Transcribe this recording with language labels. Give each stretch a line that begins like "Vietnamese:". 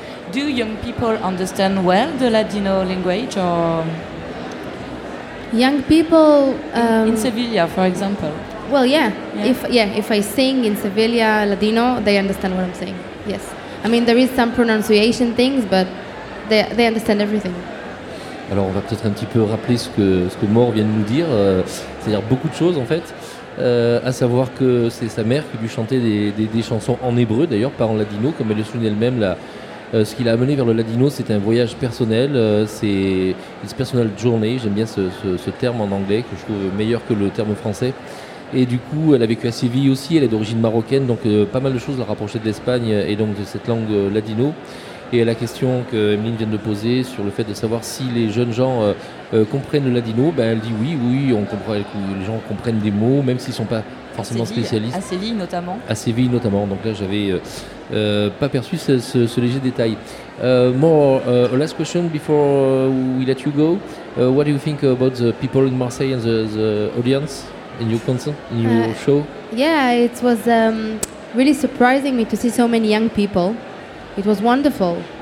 English: Do young people understand well the Ladino language, or? Young people? In Sevilla, for example. Well, if I sing in Sevilla Ladino, they understand what I'm saying, yes. I mean, there is some pronunciation things, but they understand everything.
French: Alors, on va peut-être un petit peu rappeler ce que Mor vient de nous dire, c'est-à-dire beaucoup de choses, en fait. À savoir que c'est sa mère qui lui chantait des chansons en hébreu, d'ailleurs pas en ladino, comme elle le souligne elle-même. Ce qui l'a amené vers le ladino, c'était un voyage personnel, c'est une
English: personal journey,
French: j'aime bien ce terme en anglais, que je trouve meilleur que le terme français. Et du coup, elle a vécu à Séville aussi, elle est d'origine marocaine, donc pas mal de choses la rapprochaient de l'Espagne et donc de cette langue ladino. Et la question que Emeline vient de poser sur le fait de savoir si les jeunes gens comprennent le ladino, ben elle dit oui, on comprend, les gens comprennent des mots, même s'ils ne sont pas forcément spécialistes. À Séville notamment. À Séville notamment. Donc là, j'avais pas perçu ce léger détail.
English: More last question before we let you go. What do you think about the people in Marseille and the audience in your concert, in your show? Yeah, it was really surprising me to see so many young people. It was wonderful.